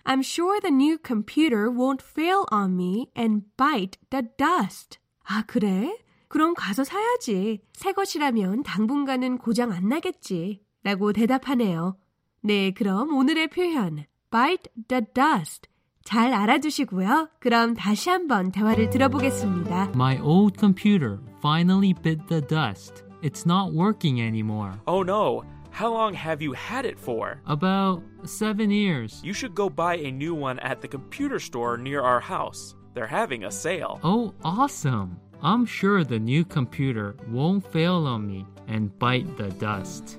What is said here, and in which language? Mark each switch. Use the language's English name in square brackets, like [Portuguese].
[English] I'm sure the new computer won't fail on me and bite the dust. [Korean] 아 그래? 그럼 가서 사야지. 새 것이라면 당분간은 고장 안 나겠지 라고 대답하네요. 네 그럼 오늘의 표현 [English] bite the dust [Korean] 잘 알아두시고요. 그럼 다시 한번 대화를 들어보겠습니다. [English] My old computer finally bit the dust. It's not working anymore. Oh no, how long have you had it for? About 7 years. You should go buy a new one at the computer store near our house. They're having a sale. Oh, awesome. I'm sure the new computer won't fail on me and bite the dust.